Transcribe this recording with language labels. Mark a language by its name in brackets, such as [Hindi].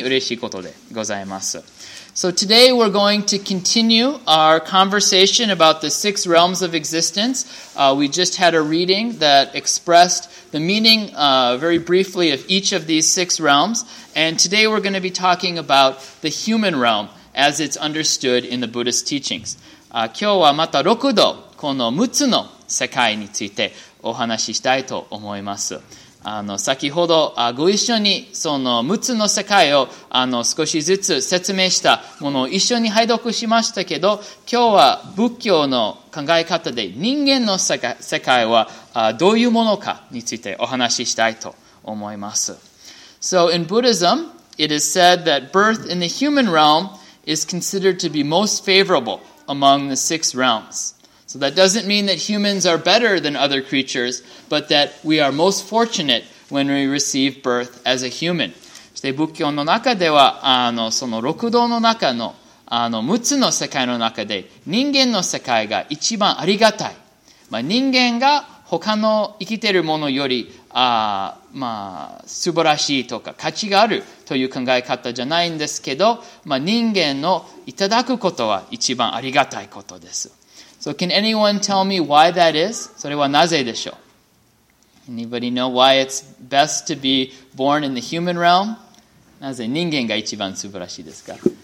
[English] So today we're going to continue our conversation about the six realms of existence. We just had a reading that expressed the meaning very briefly of each of these six realms. And today we're going to be talking about the human realm as it's understood in the Buddhist teachings. [Japanese] 今日はまた六度この六つの世界についてお話ししたいと思います。先ほどご一緒にその六つの世界を少しずつ説明したものを一緒に拝読しましたけど、今日は仏教の考え方で人間の世界はどういうものかについてお話ししたいと思います。 [English] So in Buddhism, it is said that birth in the human realm is considered to be most favorable among the six realms. So that doesn't mean that humans are better than other creatures, but that we are most fortunate when we receive birth as a human. [Japanese] そして仏教の中では、その六道の中の、六つの世界の中で、人間の世界が一番ありがたい。まあ、人間が他の生きているものより、素晴らしいとか価値があるという考え方じゃないんですけど、人間のいただくことは一番ありがたいことです。 [English] So can anyone tell me why that is? [Japanese] それはなぜでしょう? [English] Anybody know why it's best to be born in the human realm? [Japanese] なぜ人間が一番素晴らしいですか?